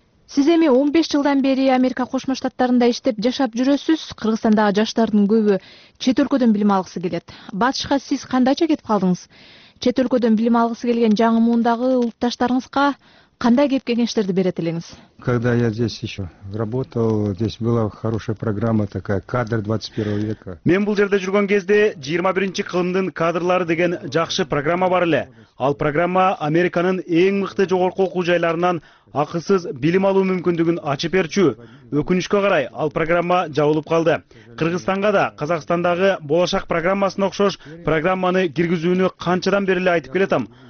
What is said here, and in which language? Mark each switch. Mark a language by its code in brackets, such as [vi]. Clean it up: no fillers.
[ky] Сиз эми 15 жылдан бери Америка Кошмо Штаттарында иштеп жашап жүрөсүз. Кыргызстандагы жаштардын көбү чет өлкөдөн билим алгысы келет. Батышка сиз кандайча кетип калдыңыз? Чет өлкөдөн билим алгысы келген жаңы муундагы улутташтарыңызга кандай кеп кеңештерди берет элеңиз? [ru] Когда я здесь еще работал, здесь была хорошая программа такая, кадр 21 века. [ky] Мен бул жерде жүргөн кезде 21-чи кылымдын кадрлары деген жакшы программа бар эле. Ал программа Американын эң мыкты жогорку окуу жайларынан акысыз билим алуу мүмкүндүгүн ачып берчү. Өкүнүчкө карай, ал программа жабылып калды. Кыргызстанга да Казакстандагы болошак программасына окшош программаны киргизүүнү канчадан бери эле айтып келатам.